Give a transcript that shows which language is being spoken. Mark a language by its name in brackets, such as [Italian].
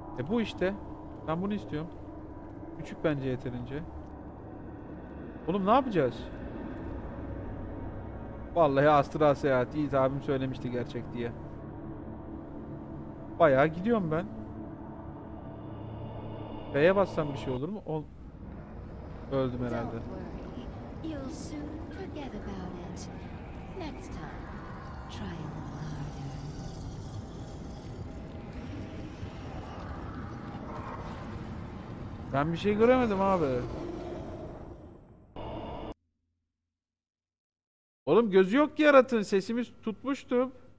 [Turkish] Bu işte. Ben bunu istiyorum. Küçük bence yeterince. Oğlum ne yapacağız? Vallahi astral seyahat. Yiğit abim söylemişti gerçek diye. Bayağı gidiyorum ben. B'ye bassam bir şey olur mu? Öldüm herhalde. [English] You'll soon forget about it. Next time, try a little harder. [Turkish] Ben bir şey göremedim abi. Oğlum gözü yok ki yaratığın, sesimiz tutmuştu.